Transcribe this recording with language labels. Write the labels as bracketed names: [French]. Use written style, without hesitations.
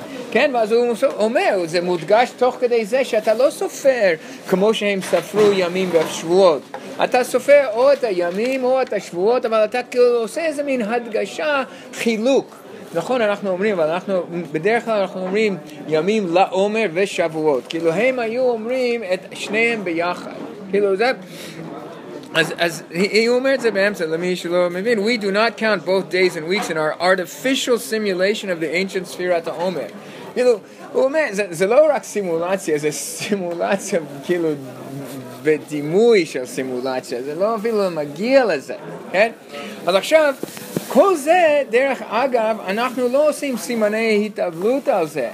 [Hebrew] כן, ואז הוא אומר, זה מודגש תוך כדי זה שאתה לא סופר כמו שהם ספרו ימים ושבועות. אתה סופר או את הימים או את השבועות, אבל אתה כאילו עושה איזה מין הדגשה, חילוק. נכון, אנחנו אומרים, אבל אנחנו, בדרך כלל אנחנו אומרים ימים לעומר ושבועות. כאילו הם היו אומרים את שניהם ביחד. כאילו זה, אז הוא אומר את זה באמצע למי שלא מבין, [English] we do not count both days and weeks in our artificial simulation of the ancient Sfirat HaOmer. [Hebrew] כאילו, הוא אומר, זה לא רק סימולציה, זה סימולציה כאילו בדימוי של סימולציה, זה לא אפילו מגיע לזה, כן? אז עכשיו, כל זה, דרך אגב, אנחנו לא עושים סימני התאבלות על זה.